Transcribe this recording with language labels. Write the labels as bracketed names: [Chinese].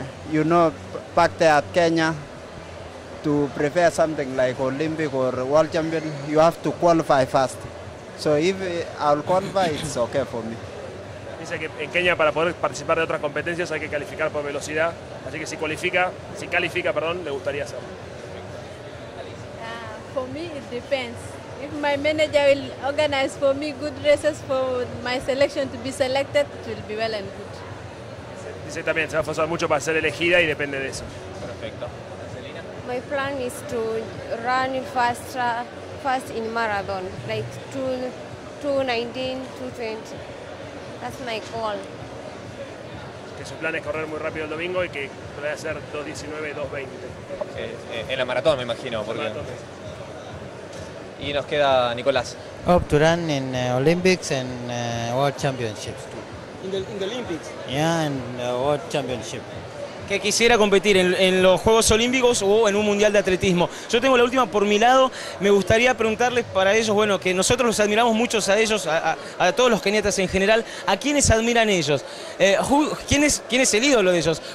[English] You know, back there at Kenya, to prepare something like Olympic or World Champion, you have to qualify first. So if I'll qualify, it's okay for me. [Spanish] Dice que en Kenia para poder participar de otras competencias hay que calificar por velocidad. Así que si califica, le gustaría hacerlo. [English] For me, it depends. If my manager will organize for me good races for my selection to be selected, it will be well and good. [Spanish] Dice también, se va a forzar mucho para ser elegida y depende de eso. Perfecto. [English] My plan is to run fast in marathon, like 2:19, 2:20. That's my goal. [Spanish] Que su plan es correr muy rápido el domingo y que puede hacer 2:19, 2:20. En la maratón, me imagino. Porque... Y nos queda Nicolás. [English] Hope to run in Olympics and World Championships. In the Olympics? Yeah, and World Championship. [Spanish] Que quisiera competir en los Juegos Olímpicos o en un Mundial de Atletismo. Yo tengo la última por mi lado. Me gustaría preguntarles para ellos, bueno, que nosotros los admiramos mucho a ellos, a todos los keniatas en general. ¿A quiénes admiran ellos? ¿Quién es el ídolo de ellos?